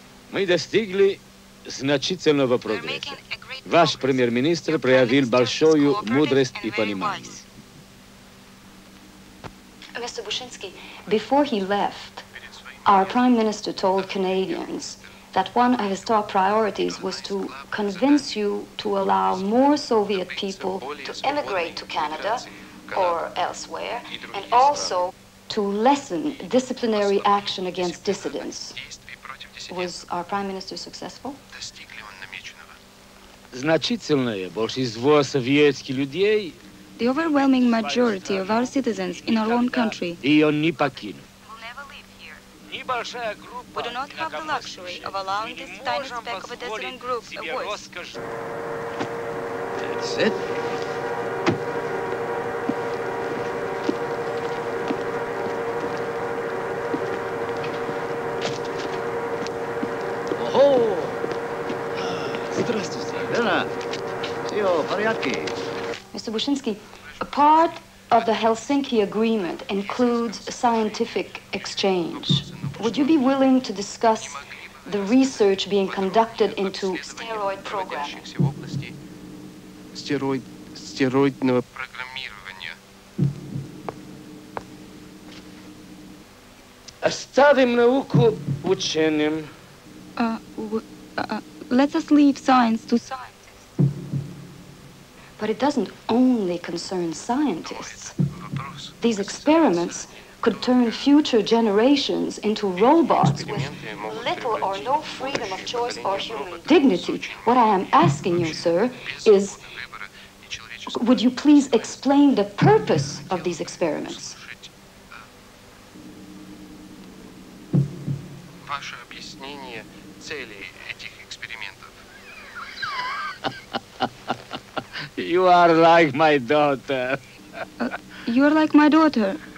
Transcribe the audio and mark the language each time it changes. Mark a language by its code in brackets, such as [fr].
[ru] Мы достигли значительного прогресса. Ваш премьер-министр проявил большую мудрость и понимание. [en] Mr. Bushinsky, before he left, our prime minister told Canadians that one of his top priorities was to convince you to allow more Soviet people to emigrate to Canada or elsewhere, and also to lessen disciplinary action against dissidents. Was our prime minister successful? [ru] Значительное большинство советских людей... [en] The overwhelming majority of our citizens in our own country... [ru] ...её не покинут. [en] We do not have the luxury of allowing this tiny speck of a dissident group a voice. That's it. [ru] Oh-ho! Здравствуйте. Верно. Всё в порядке. [en] Mr. Bushinsky, a part of the Helsinki Agreement includes a scientific exchange. Would you be willing to discuss the research being conducted into steroid programming? [ru] Стероидного программирования. Оставим науку ученым. [en] Let us leave science to scientists. But it doesn't only concern scientists. These experiments could turn future generations into robots with little or no freedom of choice or human dignity. What I am asking you, sir, is, would you please explain the purpose of these experiments? [ru] Ваше объяснение цели этих экспериментов. [en] You are like my daughter. You are like my daughter.